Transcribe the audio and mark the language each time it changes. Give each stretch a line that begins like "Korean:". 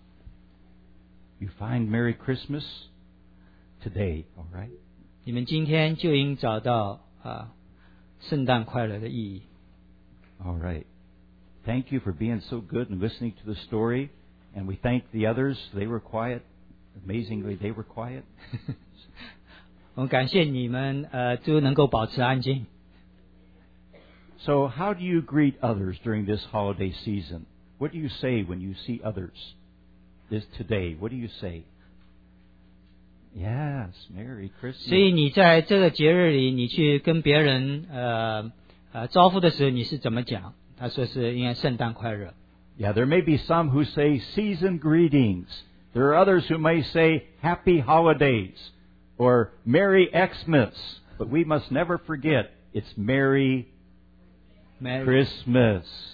Chinese: 若你是去寻找，你就会看见圣诞快乐在所有的地方。
English: You find Merry Christmas today, all right?
Chinese: 你们今天就应找到圣诞快乐的意义。
English: All right. Thank you for being so good and listening to the story. And we thank the others. They were quiet. Amazingly, they were quiet.
Chinese: 我们感谢你们，都能够保持安静。
English: So how do you greet others during this holiday season? What do you say when you see others this today? What do you say? Yes, Merry Christmas.
Chinese: 所以你在这个节日里，你去跟别人 招呼的时候你是怎么讲? 他说是应该圣诞快乐。
English: Yeah, there may be some who say season greetings. There are others who may say happy holidays or Merry Xmas. But we must never forget it's Merry Christmas.